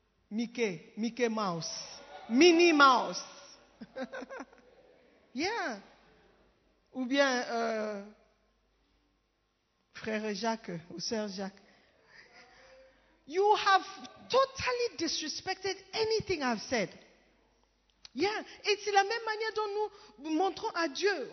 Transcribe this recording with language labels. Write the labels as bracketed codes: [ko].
[fr] Mickey Mouse, Minnie Mouse, yeah, ou bien frère Jacques ou sœur Jacques. [en] You have totally disrespected anything I've said. [fr] Yeah, et c'est la même manière dont nous montrons à Dieu.